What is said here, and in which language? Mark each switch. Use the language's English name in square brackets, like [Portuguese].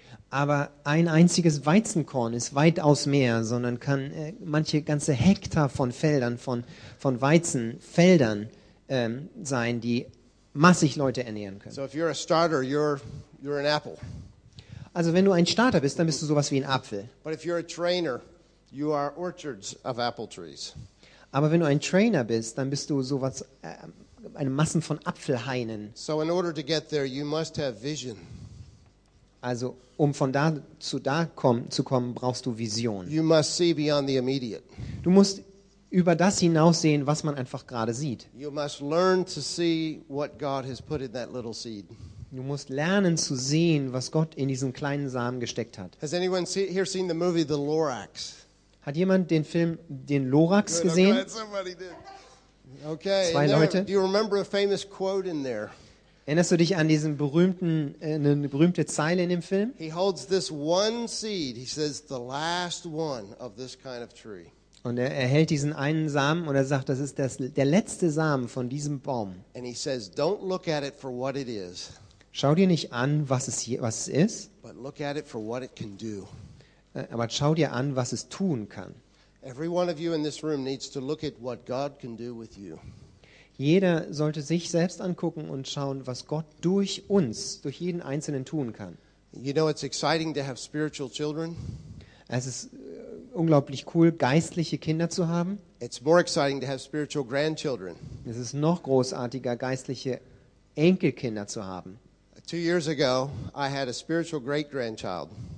[German] Aber ein einziges Weizenkorn ist weitaus mehr, sondern kann manche ganze Hektar von Feldern von Weizenfeldern sein, die massig Leute ernähren können. [English] So if you're a starter, you're an apple. [German] Also wenn du ein Starter bist, dann bist du sowas wie ein Apfel. [English] But if you're a trainer, you are orchards of apple trees. [German] Aber wenn du ein Trainer bist, dann bist du sowas, eine Massen von Apfelhainen. [English] So in order to get there, you must have vision. [German] Also um von da zu da zu kommen, brauchst du Vision. [English] You must see beyond the immediate. [German] Du musst über das hinaussehen, was man einfach gerade sieht. [English] You must learn to see what God has put in that little seed. [German] Du musst lernen zu sehen, was Gott in diesen kleinen Samen gesteckt hat. [English] Has anyone here seen the movie The Lorax? [German] Hat jemand den Film Den Lorax gesehen? [English] Okay. [German] Zwei Leute. [English] Do you remember a famous quote in there? [German] Erinnerst du dich an diesen berühmten eine berühmte Zeile in dem Film? [English] He holds this one seed. He says the last one of this kind of tree. [German] Und er hält diesen einen Samen und er sagt, das ist der letzte Samen von diesem Baum. [English] And he says, don't look at it for what it is. [German] Schau dir nicht an, was es ist. [English] But look at it for what it can do. [German] Aber schau dir an, was es tun kann. [English] Every one of you in this room needs to look at what God can do with you. [German] Jeder sollte sich selbst angucken und schauen, was Gott durch uns, durch jeden Einzelnen tun kann. [English] You know, it's exciting to have spiritual children. [German] Es ist unglaublich cool, geistliche Kinder zu haben. [English] It's more exciting to have spiritual grandchildren. [German] Es ist noch großartiger, geistliche Enkelkinder zu haben. [English] 2 years ago, I had a spiritual great-grandchild.